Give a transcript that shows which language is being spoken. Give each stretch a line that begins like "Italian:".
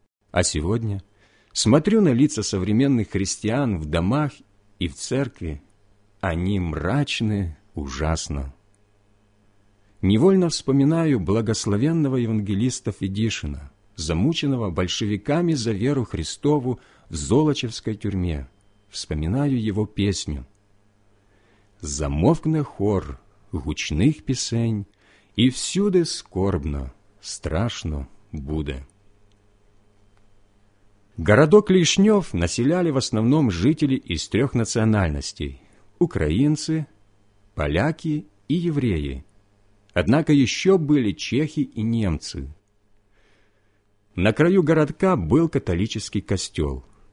Russian: А сегодня смотрю на лица современных христиан в домах и в церкви. Они мрачны ужасно. Невольно вспоминаю благословенного евангелиста Федишина, замученного большевиками за веру Христову в Золочевской тюрьме. Вспоминаю его песню.
Ukrainian: «Замовкне хор гучних пісень, і всюди скорбно, страшно буде».
Russian: Городок Лишнев населяли в основном жители из трех национальностей – украинцы, поляки и евреи. Однако еще были чехи и немцы. На краю городка был католический костел.